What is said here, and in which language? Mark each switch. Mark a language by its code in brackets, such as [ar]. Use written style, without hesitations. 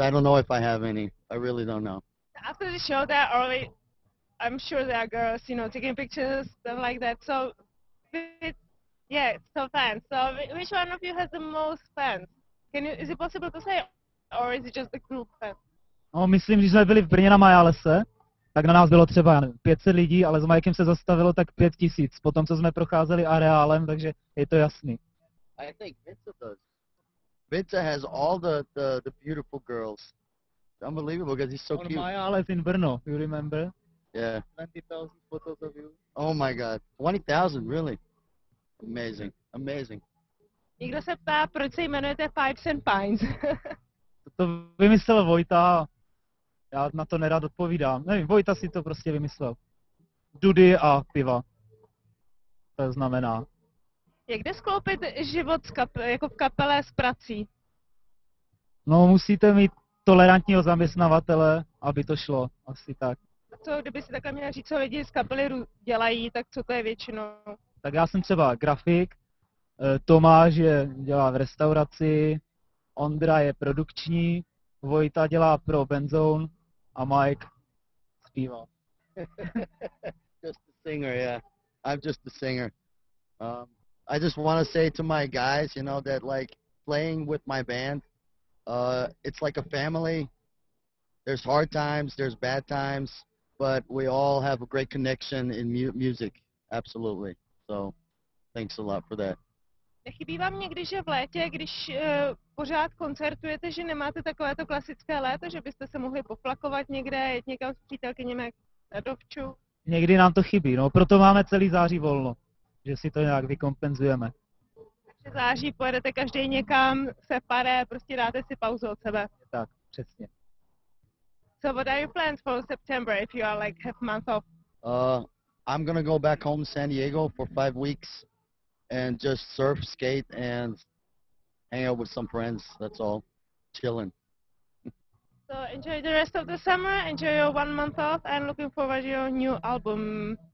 [en] I don't know if I have any. I really don't know. After the show that early, I'm sure there are girls, you know, taking pictures, stuff like that. So, so fans. So, which one of you has the most fans? Is it possible to say? Or is it just the group fans? [cs] No, myslím, že jsme byli v Brně na Majálese, tak na nás bylo třeba 500 lidí, ale s Majkem se zastavilo tak 5000. Potom, co jsme procházeli areálem, takže je to jasný. [en] I think Vince does. Vince has all the beautiful girls. It's unbelievable because he's so on cute. On Majáles in Brno, you remember? Yeah. 20,000 photos of you. Oh my god, 20,000, really? Amazing, amazing. [cs] Někdo se ptá, proč se jmenujete Pipes and Pines? To vymyslel Vojta. Já na to nerad odpovídám. Nevím, Vojta si to prostě vymyslel. Dudy a piva. To znamená. Jak jde skloupit život jako v kapele s prací? No, musíte mít tolerantního zaměstnavatele, aby to šlo, asi tak. A co, kdyby si takhle měla říct, co lidi z kapely dělají, tak co to je většinou? Tak já jsem třeba grafik, Tomáš je, dělá v restauraci, Ondra je produkční, Vojta dělá pro Benzone a Mike zpívá. [en] Just a singer, yeah. I'm just a singer. I just want to say to my guys, you know, that like playing with my band, it's like a family. There's hard times, there's bad times, but we all have a great connection in music, absolutely. So, thanks a lot for that. [cs] Nechybí vám někdy, že v létě, když pořád koncertujete, že nemáte takovéto klasické léto, že byste se mohli poplakovat někde, jet někam s přítelkyněmi na dovču? Někdy nám to chybí, no, proto máme celý září volno. Že si to nějak vykompenzujeme. Takže září pojedete každý někam, se pare, prostě dáte si pauzu od sebe. Tak, přesně. [en] So what are your plans for September, if you are like half month off? I'm gonna go back home to San Diego for 5 weeks and just surf, skate and hang out with some friends, that's all. Chilling. So enjoy the rest of the summer, enjoy your 1 month off and looking forward to your new album.